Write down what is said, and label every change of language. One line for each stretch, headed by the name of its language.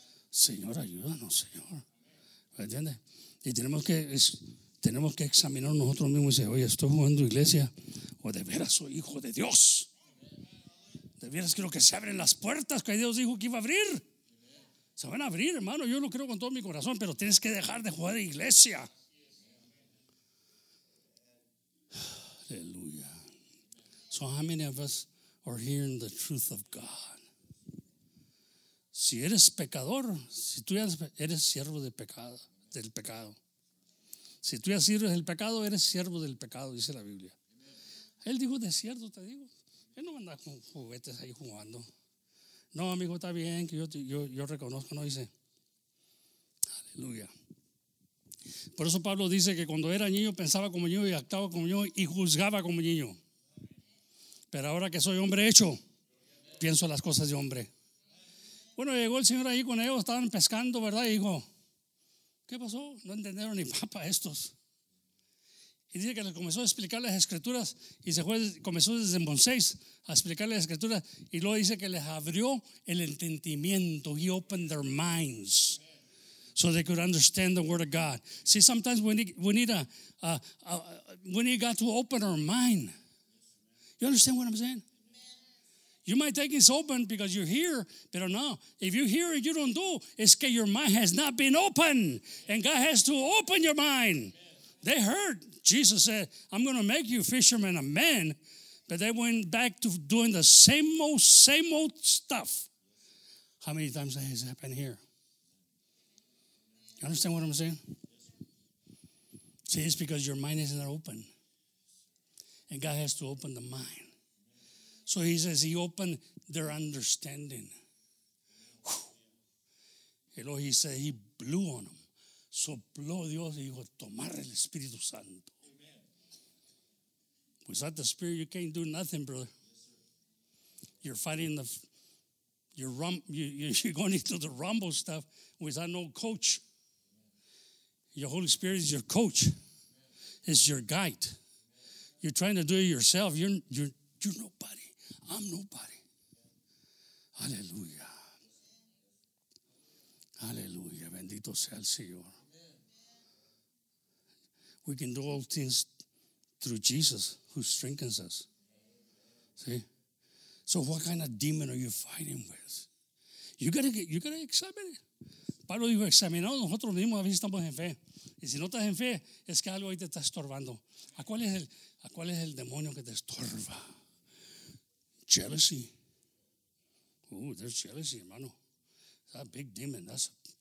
Spanish: Señor, ayúdanos, Señor. ¿Me entiendes? Y tenemos que examinar nosotros mismos y decir, oye, ¿estoy jugando iglesia? ¿O de veras soy hijo de Dios? ¿De veras quiero que se abren las puertas que Dios dijo que iba a abrir? Se van a abrir, hermano. Yo lo creo con todo mi corazón, pero tienes que dejar de jugar iglesia. Aleluya.
English: So how many of us are hearing the truth of God?
Spanish: Si eres pecador, si tú ya eres siervo de pecado, del pecado. Si tú ya sirves el pecado, eres siervo del pecado, dice la Biblia. Él dijo, de cierto te digo. Él no anda con juguetes ahí jugando. No, amigo, está bien, que yo reconozco, ¿no? Dice, aleluya. Por eso Pablo dice que cuando era niño pensaba como niño y actuaba como niño y juzgaba como niño. Pero ahora que soy hombre hecho, pienso las cosas de hombre. Bueno, llegó el Señor ahí con ellos, estaban pescando, ¿verdad? Y dijo, ¿qué pasó? No entendieron ni papa estos. Y dice que les comenzó a explicar las escrituras y se fue, comenzó desde Moisés a explicar las escrituras. Y luego dice que les abrió el entendimiento.
English: He opened their minds so they could understand the word of God. See, sometimes we need God to open our mind. You understand what I'm saying? You might think it's open because you're here, but no. If you hear it, you don't do. It's because your mind has not been open, and God has to open your mind. They heard. Jesus said, I'm going to make you fishermen of men, but they went back to doing the same old stuff. How many times has it happened here? You understand what I'm saying? See, it's because your mind is not open. And God has to open the mind. So he says he opened their understanding. Hello, he said he blew on them.
Spanish: Sopló Dios y dijo, tomar el Espíritu Santo.
English: Amen. Without the Spirit, you can't do nothing, brother. Yes, you're fighting you're going into the rumble stuff without no coach. Amen. Your Holy Spirit is your coach. Amen. It's your guide. You're trying to do it yourself. You're nobody. I'm nobody. Aleluya.
Spanish: Aleluya. Bendito sea el Señor. Amen.
English: We can do all things through Jesus who strengthens us. See? So what kind of demon are you fighting with? You gotta examine it.
Spanish: Pablo dijo, examinado nosotros mismos, a veces estamos en fe. Y si no estás en fe, es que algo ahí te está estorbando. ¿A cuál es el demonio que te estorba?
English: Jealousy. Oh, there's jealousy, hermano. That big demon. That's a...